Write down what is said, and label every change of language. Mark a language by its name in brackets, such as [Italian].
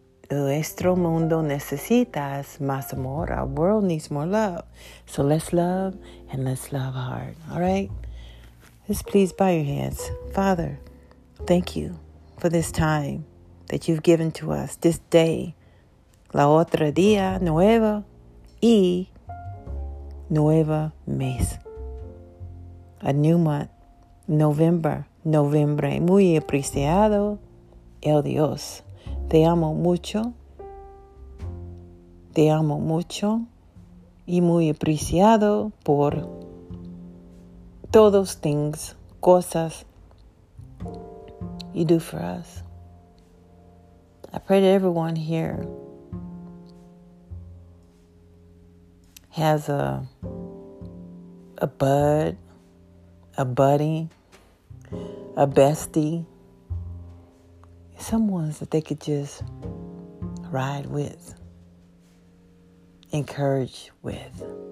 [Spanish] Nuestro mundo necesita más amor. [English] Our world needs more love. So let's love and let's love hard. All right? Just please bow your hands. Father, thank you for this time that you've given to us this day, [Spanish] la otra día nueva y nueva mes. [English] A new month, November, [Spanish] noviembre, muy apreciado, el Dios. Te amo mucho. Te amo mucho y muy apreciado por [English] throw those things, cosas, you do for us. I pray that everyone here has a bud, a buddy, a bestie, someone that they could just ride with, encourage with,